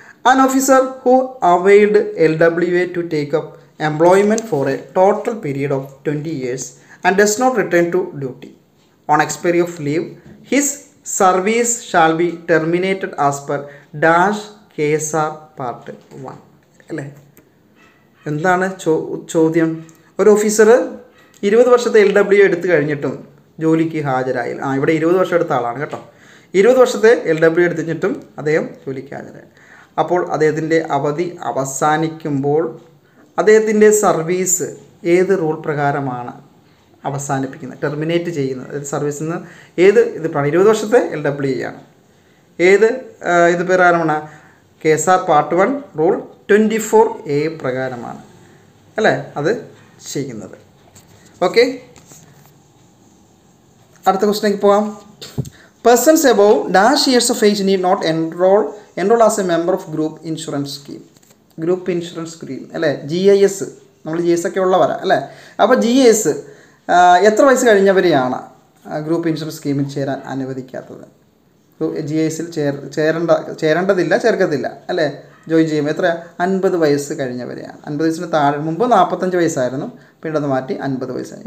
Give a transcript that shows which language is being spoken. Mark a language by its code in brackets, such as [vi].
[en] An officer who availed LWA to take up employment for a total period of 20 years and does not return to duty on expiry of leave, his service shall be terminated as per dash KSR part 1. [ml] അല്ലേ, എന്താണ് ചോദ്യം? ഒരു officer 20 വർഷത്തെ LWA എടുത്തു കഴിഞ്ഞിട്ടും ജോലിക്ക് ഹാജരായില്ല. ആ ഇവിടെ 20 വർഷം എടുത്ത ആളാണ് കേട്ടോ. 20 വർഷത്തെ LWA എടുത്തു കഴിഞ്ഞിട്ടും അദ്ദേഹം ജോലിക്ക് ഹാജരായി. അപ്പോൾ അദ്ദേഹത്തിൻ്റെ അവധി അവസാനിക്കുമ്പോൾ അദ്ദേഹത്തിൻ്റെ സർവീസ് ഏത് റൂൾ പ്രകാരമാണ് അവസാനിപ്പിക്കുന്നത്, ടെർമിനേറ്റ് ചെയ്യുന്നത്? അതായത് സർവീസിൽ നിന്ന് ഏത് ഇത് 20 വർഷത്തെ LWA ആണ്, ഏത് ഇത് പ്രകാരമാണ്? KSR Part 1, Rule 24A പ്രകാരമാണ് അല്ലേ അത് ചെയ്യുന്നത്. ഓക്കെ, അടുത്ത ക്വസ്റ്റ്യൻ പോവാം. [en] Persons above dash years of age need not enroll as a member of group insurance scheme. [ml] Group insurance scheme അല്ലേ, GIS, നമ്മൾ GIS ഒക്കെ ഉള്ളവരാ അല്ലേ. അപ്പോൾ GIS എത്ര വയസ്സ് കഴിഞ്ഞവരെയാണ് ഗ്രൂപ്പ് ഇൻഷുറൻസ് സ്കീമിൽ ചേരാൻ അനുവദിക്കാത്തത്? GIS-ൽ ചേരേണ്ടതില്ല അല്ലേ, ജോയിൻ ചെയ്യും. എത്ര? 50 വയസ്സ് കഴിഞ്ഞവരെയാണ്. 50 വയസ്സിന് താഴെ, മുമ്പ് 45 വയസ്സായിരുന്നു, പിന്നീട് അത് മാറ്റി 50 വയസ്സാണ്.